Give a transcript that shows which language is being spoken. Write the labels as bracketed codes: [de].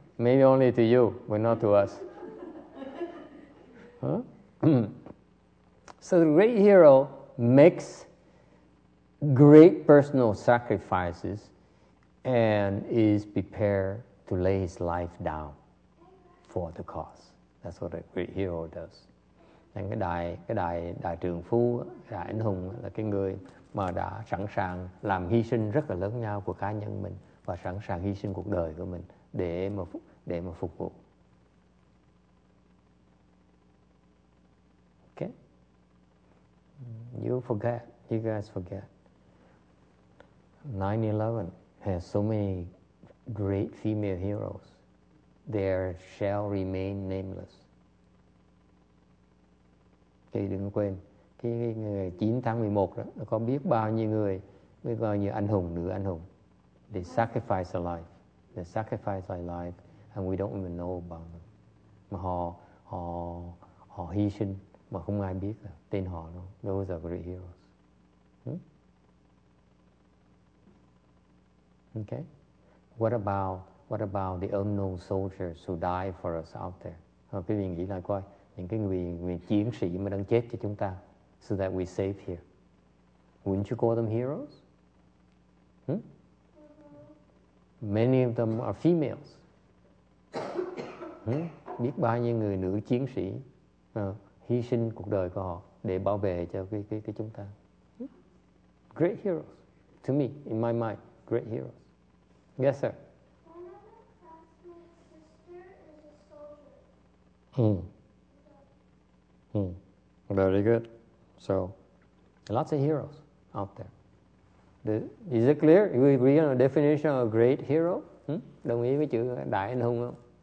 [en] Maybe only to you, but not to us. Huh? So the great hero makes great personal sacrifices and is prepared to lay his life down for the cause. That's what a great hero does. [vi] Nên cái đại trượng phu, đại anh hùng là cái người mà đã sẵn sàng làm hy sinh rất là lớn nhau của cá nhân mình và sẵn sàng hy sinh cuộc đời của mình để mà phục vụ. [en] Okay. You forget, you guys forget. 9/11 has so many great female heroes. They shall remain nameless. [vi] Thì đừng quên. Cái ngày 9 tháng 11 đó, có biết bao nhiêu người, mới coi như anh hùng, nữ anh hùng. [en] They sacrifice their life. They sacrifice their life, and we don't even know about them. [vi] Mà họ hy sinh, mà không ai biết là tên họ đâu. [en] Those are great heroes. Hmm? Okay. What about the unknown soldiers who die for us out there? [vi] Rồi quý vị nghĩ lại coi, những cái người chiến sĩ mà đang chết cho chúng ta. [en] So that we save here. Wouldn't you call them heroes? Hmm? Many of them are females. Hmm? [vi] Biết bao nhiêu người nữ chiến sĩ hy sinh cuộc đời của họ để bảo vệ cho cái chúng ta. [en] great heroes. To me, in my mind, great heroes. Yes, sir. Very good. So, lots of heroes out there. Is it clear? You agree on a definition of a great hero? [vi] Đồng ý với chữ đại anh hùng không?